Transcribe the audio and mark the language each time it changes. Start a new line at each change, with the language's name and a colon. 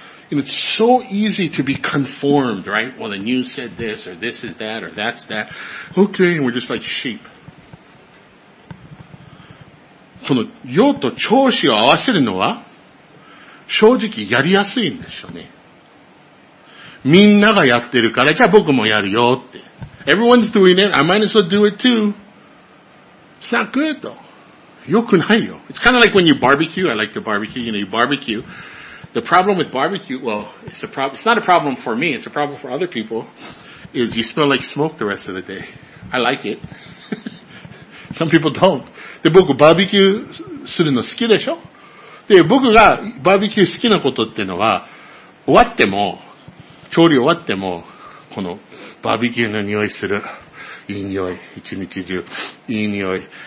English: And it's so easy to be conformed, right? Well, the news said this, or this is that, or that's that. Okay, and we're just like sheep.
Japanese: その用途調子を合わせるのは正直やりやすいんですよね。みんながやってるからじゃあ僕もやるよって。
English: Everyone's doing it, I might as well do it too. It's not good though.
Japanese: よくないよ。
English: It's kind of like when you barbecue. I like to barbecue. You know, you barbecue. The problem with barbecue, well, it's not a problem for me. It's a problem for other people. Is you smell like smoke the rest of the day. I like it. Some people don't.
Japanese: で、僕バーベキューするの好きでしょ?で、僕がバーベキュー好きなことってのは、終わっても、調理終わっても、このバーベキューの匂いする。いい匂い。一日中。いい匂い。